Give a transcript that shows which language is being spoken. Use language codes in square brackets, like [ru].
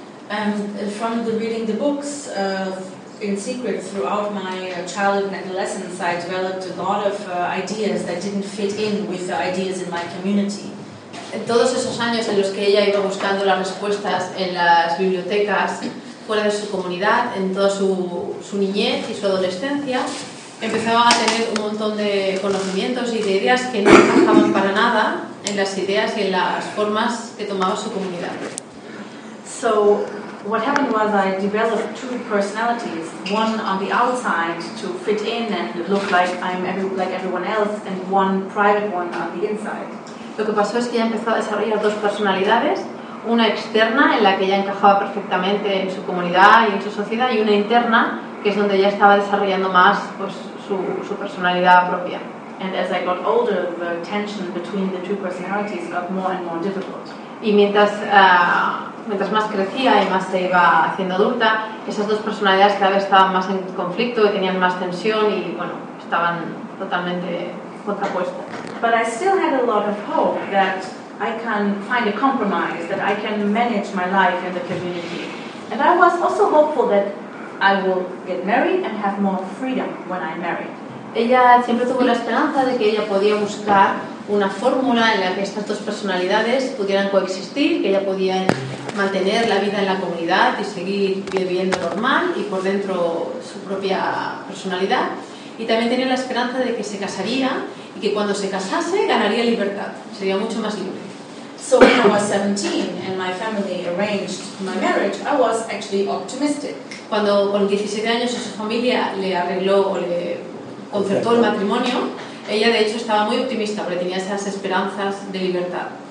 [en] And from the reading the books in secret throughout my childhood and adolescence, I developed a lot of ideas that didn't fit in with the ideas in my community. [es] En todos esos años en los que ella iba buscando las respuestas en las bibliotecas fuera de su comunidad, en toda su niñez y su adolescencia, empezaba a tener un montón de conocimientos y de ideas que no encajaban para nada en las ideas y en las formas que tomaba su comunidad. [en] So, what happened was I developed two personalities, one on the outside to fit in and look like I'm like everyone else, and one private one on the inside. [es] Lo que pasó es que ella empezó a desarrollar dos personalidades, una externa en la que ella encajaba perfectamente en su comunidad y en su sociedad, y una interna que es donde ella estaba desarrollando más pues su personalidad propia. [en] And as I got older, the tension between the two personalities got more and more difficult. [es] Y mientras más crecía y más se iba haciendo adulta, esas dos personalidades cada vez estaban más en conflicto y tenían más tensión y bueno, estaban totalmente contrapuestas. [en] But I still had a lot of hope that I can find a compromise, that I can manage my life in the community. And I was also hopeful that I will get married and have more freedom when I marry. [es] Ella siempre tuvo la esperanza de que ella podía buscar una fórmula en la que estas dos personalidades pudieran coexistir, que ella podía mantener la vida en la comunidad y seguir viviendo normal y por dentro su propia personalidad. Y también tenía la esperanza de que se casaría y que cuando se casase ganaría libertad, sería mucho más libre. [en] So when I was 17 and my family arranged my marriage, I was actually optimistic. [es] Cuando con 17 años su familia le arregló o le concertó el matrimonio, ella de hecho estaba muy optimista porque tenía esas esperanzas de libertad.